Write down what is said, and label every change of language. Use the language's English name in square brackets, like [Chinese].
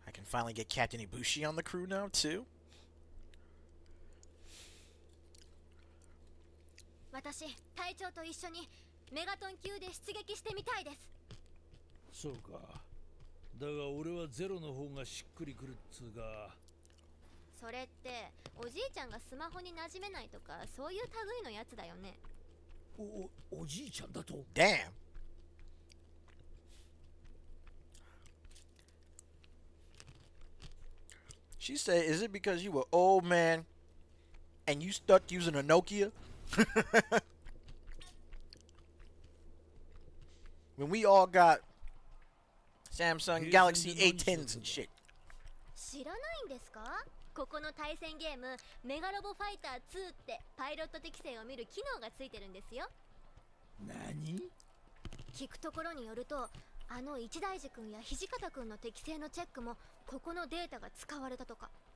[English] Finally get Captain Ibushi on the crew now, too. [Japanese] 私、隊長と一緒にメガトン級で出撃してみたいです。そうか。だが俺はゼロの方がしっくりくるっつうか。それって、おじいちゃんがスマホに馴染めないとか、そういう類のやつだよね。おじいちゃんだと。 [English] Damn! She said, is it because you were old man and you stuck using a Nokia? When we all got Samsung Galaxy A10s and shit. [Japanese] 知らないんですか? ここの対戦ゲーム、メガロボファイター2ってパイロット適性を見る機能がついてるんですよ。何? 聞くところによると、あの一大寺くんや土方くんの適性のチェックもここのデータが使われたとか。